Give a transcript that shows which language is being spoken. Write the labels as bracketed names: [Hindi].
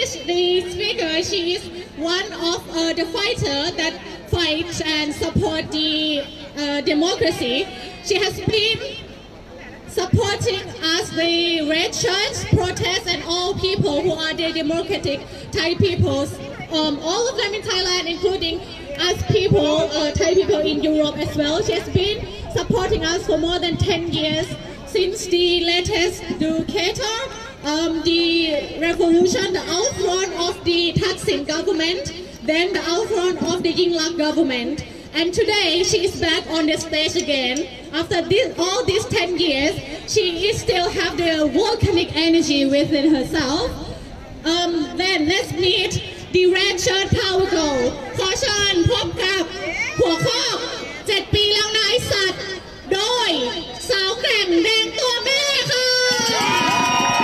[English] the speaker she is one of the fighter that fights and support the democracy she has beenSupporting us, the red shirts, protests, and all people who are the democratic Thai peoples, all of them in Thailand, including us people, Thai people in Europe as well. She has been supporting us for more than 10 years since the latest Duterte, the revolution, the outthrown of the Thaksin government, then the outthrown of the Yingluck government. And today she is back on the stage again. After this, all these 10 years, she is still have the volcanic energy within herself. Then let's meet the red shirt power girl. [Thai] ขอเชิญพบกับหัวข้อ7ปีแล้วนายสัตว์โดยสาวแกร่งแดงตัวแม่ค่ะ